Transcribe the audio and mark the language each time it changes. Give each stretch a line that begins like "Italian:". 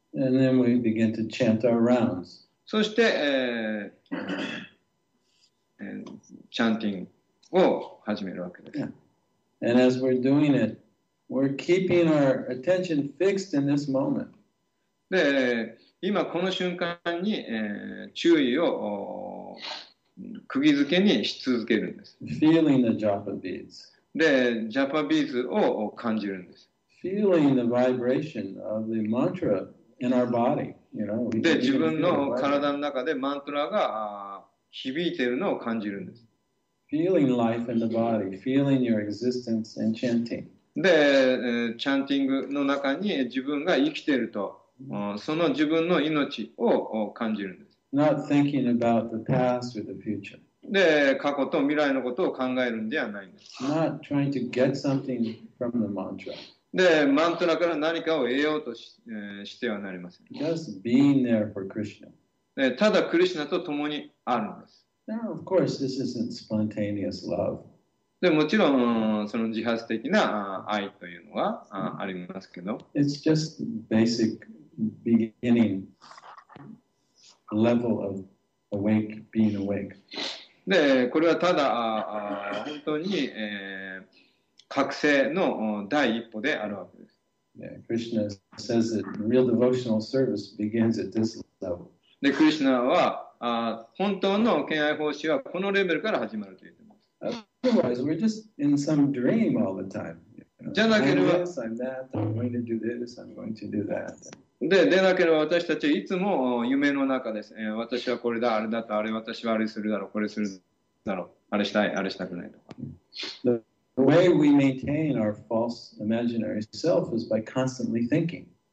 English: And then we begin to chant our rounds.
Japanese: そして、チャンティングを始めるわけです。 Yeah.
English: And as we're doing it, we're keeping our attention fixed in this moment.
Japanese: で、今この瞬間に、注意を釘付けにし続けるんです。
English: Feeling the japa beads.
Japanese: で、ジャパビーズを感じるんです。
English: Feeling the vibration of the mantra in our body. You know,
Japanese: で、自分の体の中でマントラが響いているのを感じるんです。
English: Feeling life in the body. Feeling your existence and chanting.
Japanese: で、チャンティングの中に自分が生きていると、その自分の命を感じるんです。
English: Not thinking about the past or the future.
Japanese: で、過去と未来のことを考えるんではないんです。
English: Not trying to get something from the mantra.
Japanese: で、マントラから何かを得ようと してはなりません。
English: Just being there for Krishna.
Japanese: で、ただクリシナと共にあるんです。
English: Now, of course, this isn't spontaneous love.
Japanese: で、もちろんその自発的な愛というのはありますけど。
English: It's just basic beginning level of awake, being awake.
Japanese: で、これはただ本当に、覚醒の第一歩であるわけです。
English: Yeah, Krishna says that real devotional service begins at this level.
Japanese: で、クリシュナは本当の敬愛奉仕はこのレベルから始まると言ってます。
English: Otherwise, we're just in some dream all the time.
Japanese: じゃなければ、
English: I'm that, I'm going to do this, I'm going to do that.
Japanese: でなければ私たちはいつも夢の中です。私はこれだ、あれだと、あれ私はあれするだろう、これするだろう、あれしたい、あれしたくないとか。
English: The way we maintain our false imaginary self is by constantly thinking.